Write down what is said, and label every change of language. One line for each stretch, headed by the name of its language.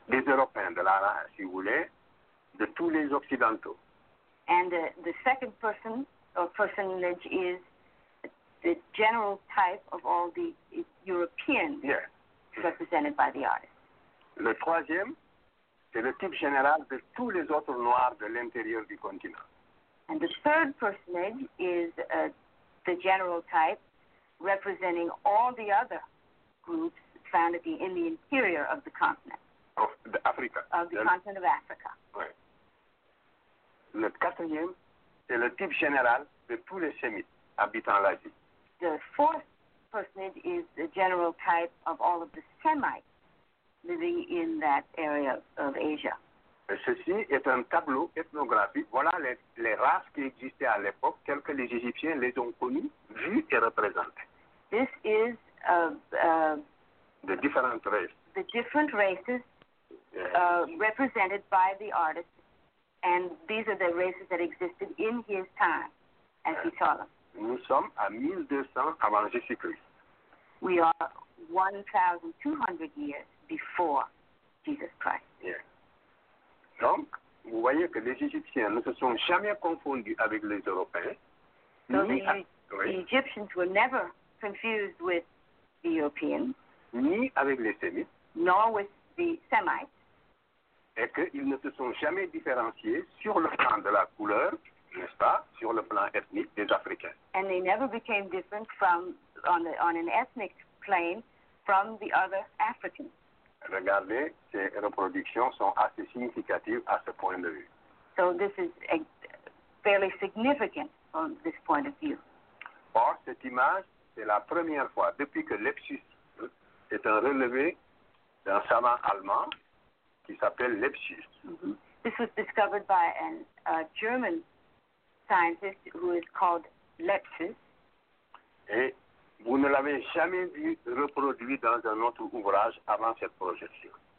French: des Européens de la race, si vous voulez, de tous les Occidentaux.
English: And the second person or personage is the general type of all the Europeans represented by the artist.
French: Le troisième, c'est le type général de tous les autres noirs de l'intérieur du continent.
English: And the third personage is the general type representing all the other groups found to be in the interior of the continent. Of the Africa. Of the continent of Africa.
French: Right. Le quatrième, c'est le type général de tous les Sémites habitant l'Asie.
English: The fourth personage is the general type of all of the Semites living in that area of Asia.
French: Ceci est un tableau ethnographique. Voilà les races qui existaient à l'époque, telles que les Égyptiens les ont connues, vues et représentées.
English: This is the different races. The different races represented by the artist, and these are the races that existed in his time, as he saw them.
French: Nous sommes à 1200 avant Jésus-Christ.
English: We are 1,200 years before Jesus Christ. Yeah.
French: Donc, vous voyez que les Égyptiens ne se sont jamais confondus avec les Européens.
English: So the Egyptians were never confused with the Europeans.
French: Ni avec les Sémites.
English: Nor with the Semites.
French: Et qu'ils ne se sont jamais différenciés sur le plan de la couleur, n'est-ce pas, sur le plan ethnique des Africains.
English: And they never became different from, on an ethnic plane, from the other Africans.
French: Regardez, ces reproductions sont assez significatives à ce point de vue.
English: So this is fairly significant from this point of view.
French: Or, cette image, c'est la première fois depuis que Lepsius est un relevé d'un savant allemand, qui s'appelle Lepsius. Mm-hmm.
English: This was discovered by a German scientist who is called Lepsius.
French: Et vous ne l'avez jamais vu reproduit dans un autre ouvrage avant cette projection.